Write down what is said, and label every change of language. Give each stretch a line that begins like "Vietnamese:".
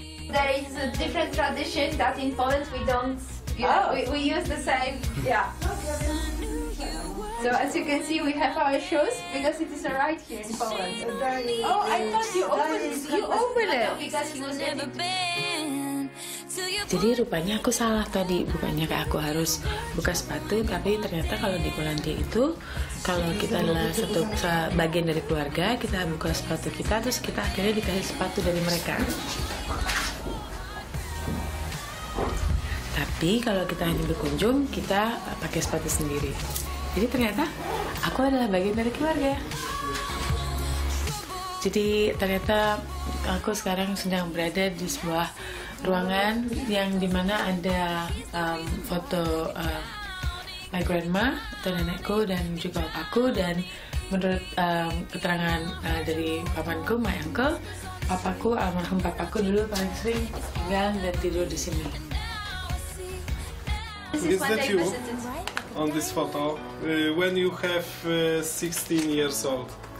English: There is a different tradition that in Poland we don't, we use the same, yeah. So as you can see, we have our shoes because it is right here in Poland. Oh, I thought you opened it. You opened it. Because he was ready.
Indonesian: Jadi rupanya aku salah tadi, bukannya kayak aku harus buka sepatu, tapi ternyata kalau di Polandia itu, kalau kita adalah satu bagian dari keluarga, kita buka sepatu kita, terus kita akhirnya dikasih sepatu dari mereka. Tapi kalau kita hanya berkunjung, kita pakai sepatu sendiri. Jadi ternyata aku adalah bagian dari keluarga. Jadi ternyata aku sekarang sedang berada di sebuah ruangan yang dimana ada foto
English: my grandma
Indonesian: atau nenekku dan juga aku, dan menurut keterangan dari papanku,
English: my uncle,
Indonesian: papaku, almarhum papaku dulu paling sering tinggal dan tidur di sini.
English: Is that you on this photo when you have 16 years old?